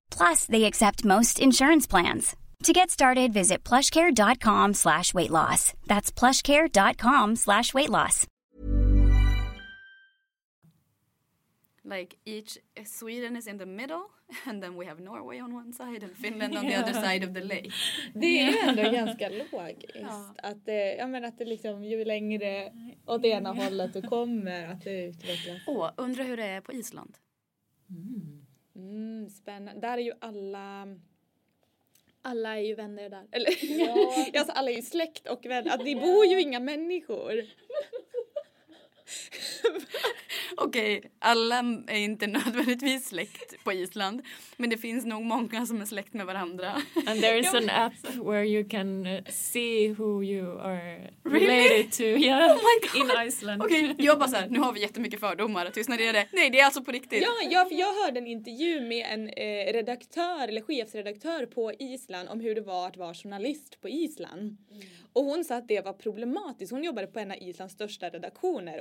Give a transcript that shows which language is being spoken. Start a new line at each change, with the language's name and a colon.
English: Plus, they accept most insurance plans. To get started, visit plushcare.com/weightloss. That's plushcare.com/weightloss. Like, each Sweden is in the middle, and then we have Norway on one side and Finland on the other side of the lake.
Swedish: Det är ändå ganska logiskt. Att det, jag menar att det liksom, ju längre åt ena hållet du kommer, att det utvecklas. Åh, undrar hur det är på Island. Spännande. Där är ju alla är ju vänner där. Eller, ja. Alltså, alla är ju släkt och vänner. Det bor ju inga människor. Okej, alla är inte nödvändigtvis släkt på Island, men det finns nog många som är släkt med varandra.
English: And there is an app where you can see who you are related to. Yeah. Oh my god. In Iceland.
Swedish: Okej,
English: okay.
Swedish: Jag bara så här, nu har vi jättemycket fördomar. Tystnade det. Nej, det är alltså på riktigt. Ja, jag hörde en intervju med en redaktör eller chefsredaktör på Island om hur det var att vara journalist på Island. Mm. Och hon sa att det var problematiskt. Hon jobbade på en av Islands största redaktioner.